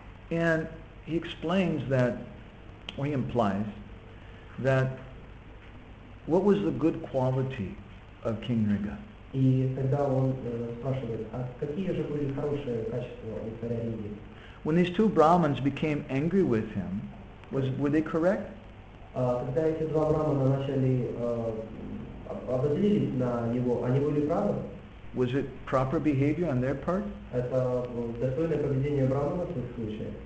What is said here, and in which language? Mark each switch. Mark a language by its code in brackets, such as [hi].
[en] And he explains that, or he implies, that what was the good quality of King Nriga? [ru] И тогда он спрашивает, а какие же были хорошие качества у царя Риги? [en] When these two Brahmins became angry with him, were they correct? [ru] Когда эти два Брахмана начали обозлились на него, они были правы? [en] Was it proper behavior on their part? [ru] Это достойное поведение Брахмана в этом случае?